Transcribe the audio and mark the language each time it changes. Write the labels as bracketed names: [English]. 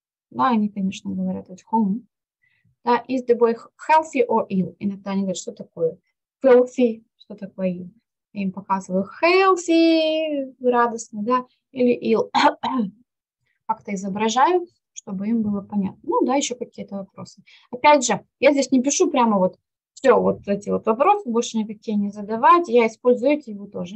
[Russian] Да, они, конечно, говорят [English] at home. Да, is the boy healthy or ill? [Russian] Иногда они говорят, что такое healthy, что такое ill. Я им показываю healthy, радостно, да, или ill. Как-то изображаю, чтобы им было понятно. Ну да, еще какие-то вопросы. Опять же, я здесь не пишу прямо вот все вот эти вот вопросы, больше никакие не задавать. Я использую эти его тоже.